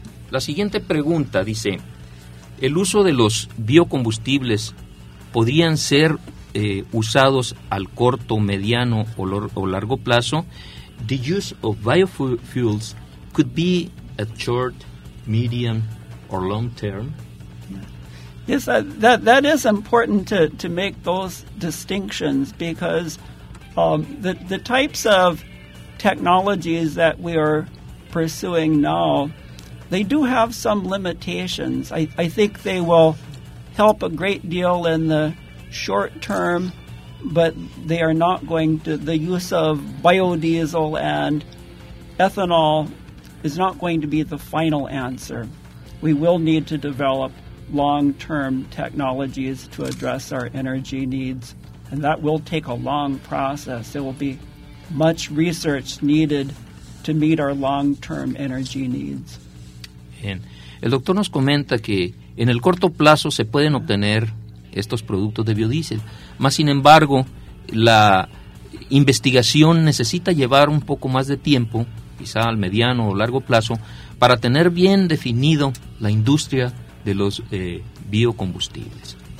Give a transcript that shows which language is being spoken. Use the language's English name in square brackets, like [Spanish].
[Spanish] La siguiente pregunta dice, ¿el uso de los biocombustibles podrían ser usados al corto, mediano o largo plazo? [English] The use of biofuels could be at short, medium, or long term? Yes, that is important to make those distinctions, because the types of technologies that we are pursuing now, they do have some limitations. I think they will help a great deal in the short term, but they are not going to, the use of biodiesel and ethanol is not going to be the final answer. We will need to develop long-term technologies to address our energy needs, and that will take a long process. There will be much research needed to meet our long-term energy needs. [Spanish] Bien. El doctor nos comenta que en el corto plazo se pueden obtener estos productos de biodiesel. Más sin embargo, la investigación necesita llevar un poco más de tiempo, quizá al mediano o largo plazo, para tener bien definido la industria de los biocombustibles.